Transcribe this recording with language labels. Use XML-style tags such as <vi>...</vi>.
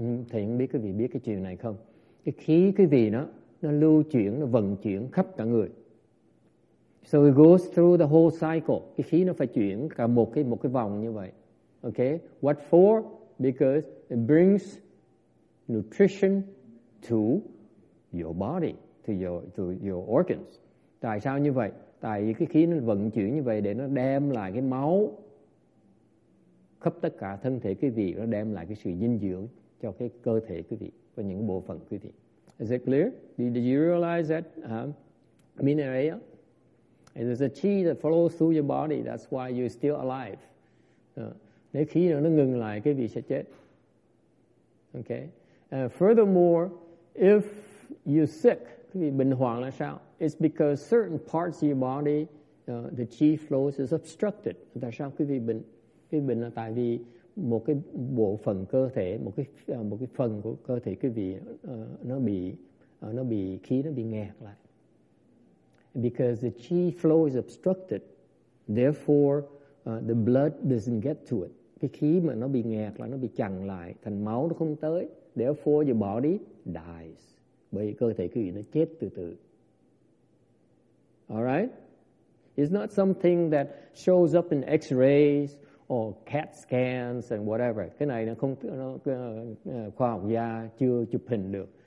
<vi>Thầy không biết quý vị biết cái chuyện này không? Cái khí quý vị nó lưu chuyển, nó vận chuyển khắp cả người.</vi> <en>So it goes through the whole cycle.</en> <vi>Cái khí nó phải chuyển cả một cái vòng như vậy.</vi> <en>Okay? What for? Because it brings nutrition to your body, to your organs.</en> <vi>Tại sao như vậy? Tại vì cái khí nó vận chuyển như vậy để nó đem lại cái máu khắp tất cả thân thể quý vị, nó đem lại cái sự dinh dưỡng cho cái cơ thể quý vị và những bộ phận quý vị.</vi> <en>Is it clear? Did you realize that mineral? And there's a chi that flows through your body, that's why you're still alive.</en> <vi>Nếu khí nó ngừng lại, quý vị sẽ chết. Okay.</vi> <en>Furthermore, if you're sick,</en> <vi>quý vị bệnh hoạn là sao?</vi> <en>It's because certain parts of your body, the chi flows is obstructed.</en> <vi>Tại sao quý vị bệnh? Cái bệnh là tại vì một cái bộ phận cơ thể, một cái phần của cơ thể quý vị nó bị khí nó bị nghẹt lại.</vi> <en>Because the chi flow is obstructed, therefore the blood doesn't get to it.</en> <vi>Cái khí mà nó bị nghẹt lại, nó bị chặn lại, thành máu nó không tới.</vi> <en>Therefore your body dies.</en> <vi>Bởi cơ thể quý vị nó chết từ từ.</vi> <en>All right? It's not something that shows up in x-rays or CAT scans and whatever.</en> <vi>Cái này nó không nó khoa học gia chưa chụp hình được.</vi>